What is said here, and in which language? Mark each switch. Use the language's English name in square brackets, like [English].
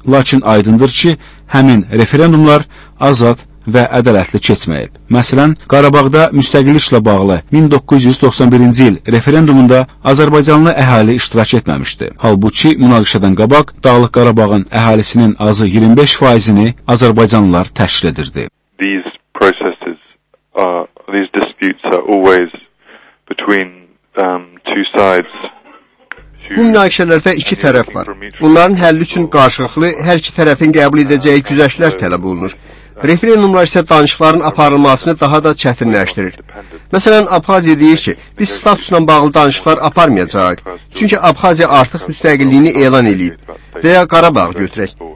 [Azerbaijani] Lakin aydındır ki, həmin referendumlar azad və ədalətli keçməyib. Məsələn, Qarabağda müstəqilliklə bağlı 1991-ci il referendumunda Azərbaycanlı əhali iştirak etməmişdi. Halbuki, münaqişədən qabaq Dağlıq Qarabağın əhalisinin azı 25%-ni Azərbaycanlılar təşkil edirdi. [English] These processes, these disputes are always between two sides. [Azerbaijani] Bu münaqişələrdə iki tərəf var. Onların həlli üçün qarşılıqlı hər iki tərəfin qəbul edəcəyi güzəşlər tələb olunur. Referendumlar isə danışıqların aparılmasını daha da çətinləşdirir. Məsələn, Abxaziya deyir ki, biz statusla bağlı danışıqlar aparmayacağıq, çünki Abxaziya artıq müstəqilliyini elan edib və ya Qarabağ götürək.